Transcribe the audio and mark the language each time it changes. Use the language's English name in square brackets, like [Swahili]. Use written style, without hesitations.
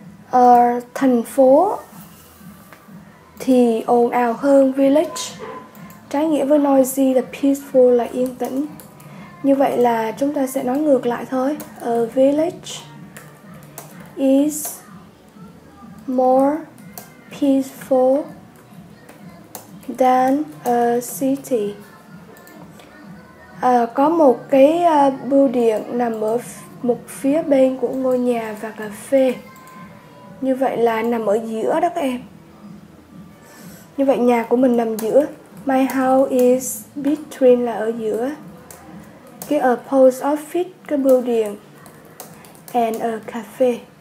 [Vietnamese] Ở thành phố thì ồn ào hơn village. Trái nghĩa với noisy là peaceful, là yên tĩnh. Như vậy là chúng ta sẽ nói ngược lại thôi. [English] A village is more peaceful than a city. [Vietnamese] Có một cái bưu điện nằm ở một phía bên của ngôi nhà và cà phê. Như vậy là nằm ở giữa đó các em. Như vậy nhà của mình nằm giữa. [English] My house is between [Vietnamese] là ở giữa. [English] Cái a post office, [Vietnamese] cái bưu điện, [English] and a cafe.